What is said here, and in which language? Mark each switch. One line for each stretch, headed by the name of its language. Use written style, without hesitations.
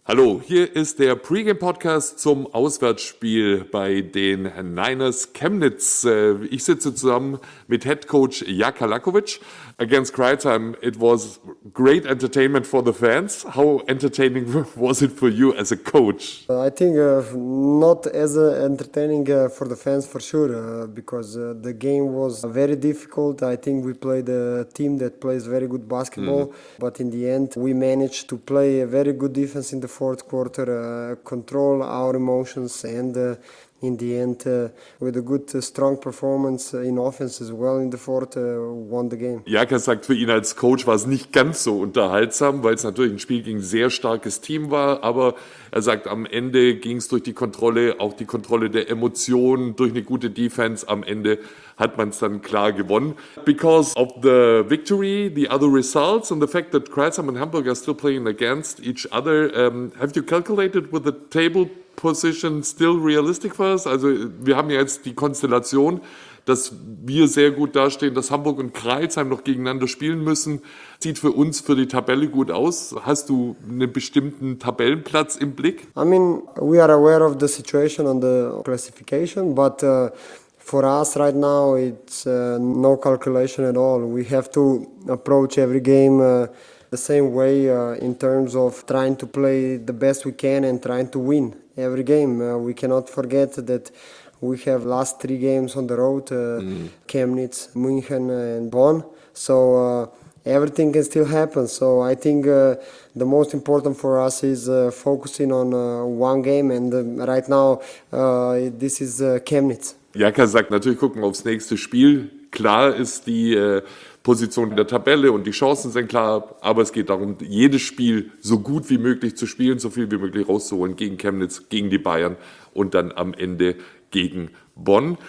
German: Hallo, hier ist der Pregame-Podcast zum Auswärtsspiel bei den Niners Chemnitz. Ich sitze zusammen mit Head Coach Jaka Lakovic.
English: Against Crytime, it was great entertainment for the fans. How entertaining was it for you as a coach? I think not as entertaining for the fans for sure because the game was very difficult. I think we played a team that plays very good basketball, but in the end we managed to play a very good defense in the fourth quarter, control our emotions, and in the end, with a good, strong performance in offense as well in the fourth, won the game.
German: Jaka sagt, für ihn als Coach war es nicht ganz so unterhaltsam, weil es natürlich ein Spiel gegen ein sehr starkes Team war. Aber er sagt, am Ende ging es durch die Kontrolle, auch die Kontrolle der Emotionen, durch eine gute Defense. Am Ende hat man es dann klar gewonnen.
English: Because of the victory, the other results and the fact that Crystal and Hamburg are still playing against each other, have you calculated with the table position still realistic for us?
German: Also wir haben ja jetzt die Konstellation, dass wir sehr gut dastehen, dass Hamburg und Crailsheim noch gegeneinander spielen müssen. Sieht für uns für die Tabelle gut aus. Hast du einen bestimmten Tabellenplatz im Blick?
English: I mean, we are aware of the situation and the classification, but for us right now it's no calculation at all. We have to approach every game the same way in terms of trying to play the best we can and trying to win every game. We cannot forget that we have last three games on the road, Chemnitz, München and Bonn. So everything can still happen. So I think the most important for us is focusing on one game, and right now this is Chemnitz.
German: Jaka sagt, natürlich gucken wir aufs nächste Spiel. Klar ist die Position in der Tabelle und die Chancen sind klar, aber es geht darum, jedes Spiel so gut wie möglich zu spielen, so viel wie möglich rauszuholen gegen Chemnitz, gegen die Bayern und dann am Ende gegen Bonn.